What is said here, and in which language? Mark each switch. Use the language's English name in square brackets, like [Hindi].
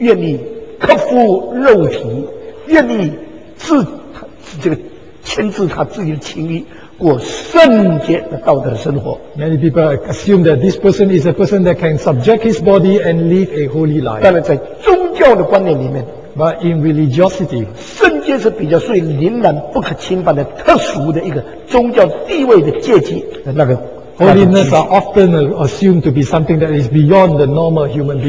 [Chinese] 复原教的观念，他是一个非常愿意克服肉体，愿意 是这个牵制他自己的情欲，过圣洁的道德生活。 [English] Many people assume that this person is a person that can subject his body and live a holy life. [Chinese] 但是在宗教的观念里面， [English] but in religiosity, [Chinese] 圣洁是比较属于凛然不可侵犯的特殊的一个宗教地位的阶级。 [English] Holiness are often assumed to be something that is beyond the normal human being.